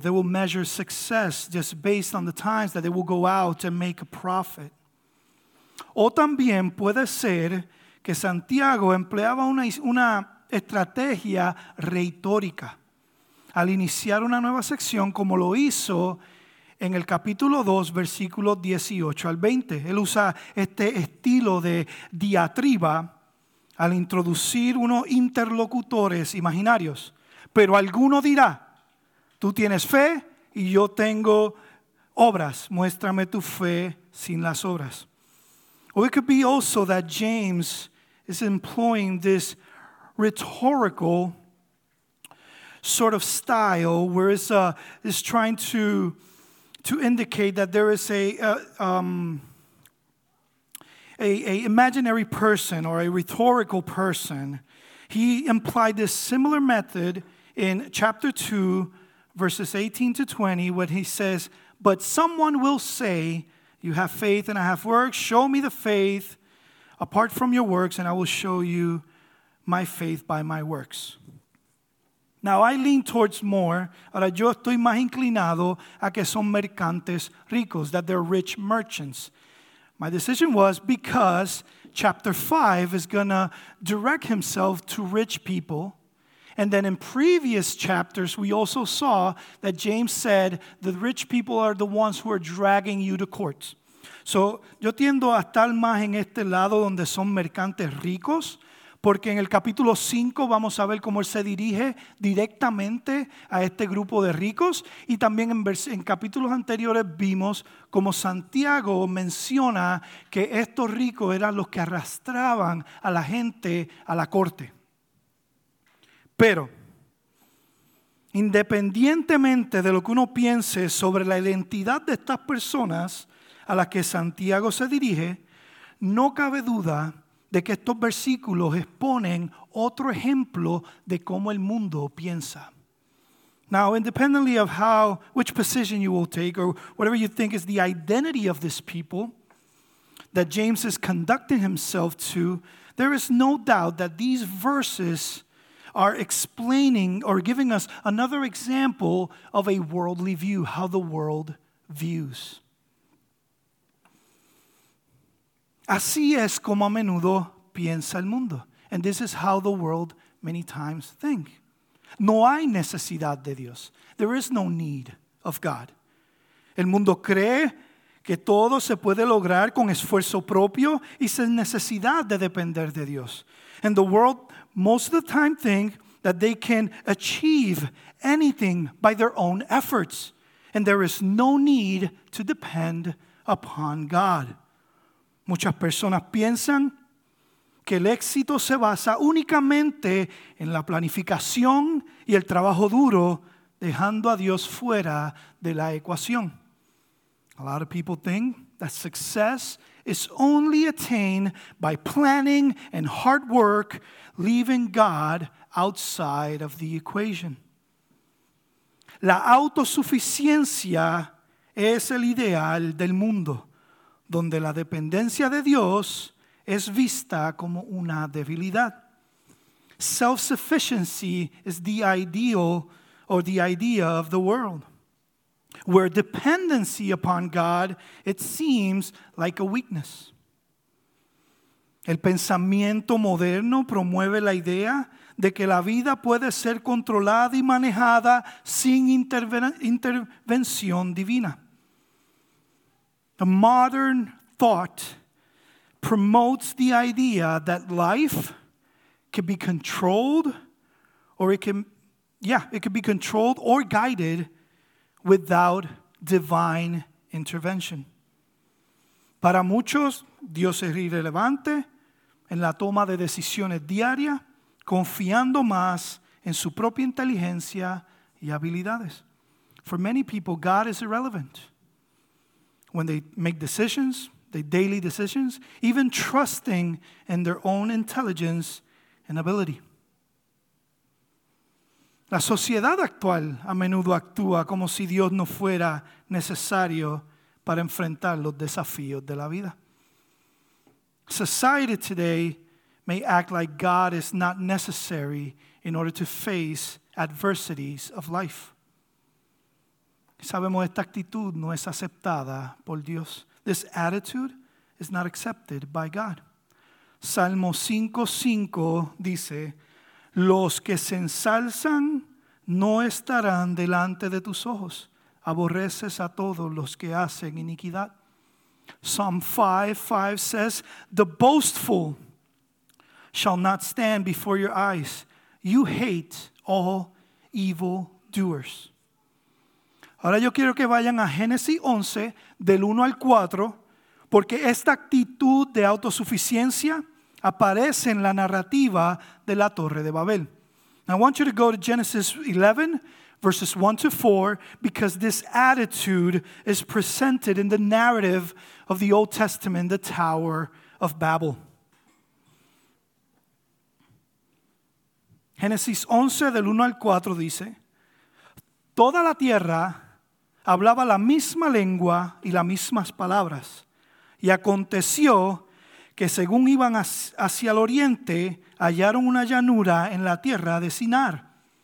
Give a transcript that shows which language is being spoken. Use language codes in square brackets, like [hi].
[en] They will measure success just based on the times that they will go out and make a profit. [es] O también puede ser que Santiago empleaba una estrategia retórica. al iniciar una nueva sección como lo hizo en el capítulo 2, versículo 18 al 20. Él usa este estilo de diatriba al introducir unos interlocutores imaginarios. Pero alguno dirá, tú tienes fe y yo tengo obras. Muéstrame tu fe sin las obras. [en] Or it could be also that James is employing this rhetorical sort of style where it's trying to indicate that there is a imaginary person or a rhetorical person. He implied this similar method in chapter 2, verses 18 to 20, when he says, but someone will say, you have faith and I have works. Show me the faith apart from your works, and I will show you my faith by my works. Now, I lean towards more. [es] Ahora, yo estoy más inclinado a que son mercantes ricos, [en] that they're rich merchants. My decision was because chapter 5 is going to direct himself to rich people. And then in previous chapters, we also saw that James said the rich people are the ones who are dragging you to court. [es] So, yo tiendo a estar más en este lado donde son mercantes ricos, porque en el capítulo 5 vamos a ver cómo él se dirige directamente a este grupo de ricos. Y también en capítulos anteriores vimos cómo Santiago menciona que estos ricos eran los que arrastraban a la gente a la corte. Pero, independientemente de lo que uno piense sobre la identidad de estas personas a las que Santiago se dirige, no cabe duda de que estos versículos exponen otro ejemplo de cómo el mundo piensa. [en] Now, independently of how, which position you will take, or whatever you think is the identity of this people that James is conducting himself to, there is no doubt that these verses are explaining or giving us another example of a worldly view, how the world views. [es] Así es como a menudo piensa el mundo. [en] And this is how the world many times think. [es] No hay necesidad de Dios. [en] There is no need of God. [es] El mundo cree que todo se puede lograr con esfuerzo propio y sin necesidad de depender de Dios. [en] And the world most of the time think that they can achieve anything by their own efforts. And there is no need to depend upon God. [es] Muchas personas piensan que el éxito se basa únicamente en la planificación y el trabajo duro, dejando a Dios fuera de la ecuación. [en] A lot of people think that success is only attained by planning and hard work, leaving God outside of the equation. [es] La autosuficiencia es el ideal del mundo, donde la dependencia de Dios es vista como una debilidad. [en] Self-sufficiency is the ideal or the idea of the world, where dependency upon God, it seems like a weakness. [es] El pensamiento moderno promueve la idea de que la vida puede ser controlada y manejada sin intervención divina. [en] The modern thought promotes the idea that life can be controlled or it can be controlled or guided without divine intervention. [es] Para muchos, Dios es irrelevante en la toma de decisiones diarias, confiando más en su propia inteligencia y habilidades. [en] For many people, God is irrelevant. When they make decisions, the daily decisions, even trusting in their own intelligence and ability. [es] La sociedad actual a menudo actúa como si Dios no fuera necesario para enfrentar los desafíos de la vida. [en] Society today may act like God is not necessary in order to face adversities of life. [es] Sabemos esta actitud no es aceptada por Dios. [en] This attitude is not accepted by God. [es] Salmo 5:5 dice, los que se ensalzan no estarán delante de tus ojos. Aborreces a todos los que hacen iniquidad. [en] Psalm 5:5 says, the boastful shall not stand before your eyes. You hate all evil doers. [es] Ahora yo quiero que vayan a Génesis 11, del 1 al 4, porque esta actitud de autosuficiencia aparece en la narrativa de la Torre de Babel. [en] I want you to go to Genesis 11, verses 1 to 4, because this attitude is presented in the narrative of the Old Testament, the Tower of Babel. [es] Génesis 11, del 1 al 4, dice, toda la tierra hablaba la misma lengua y las mismas palabras. Y aconteció que según iban hacia el oriente, hallaron una llanura en la tierra de Sinar.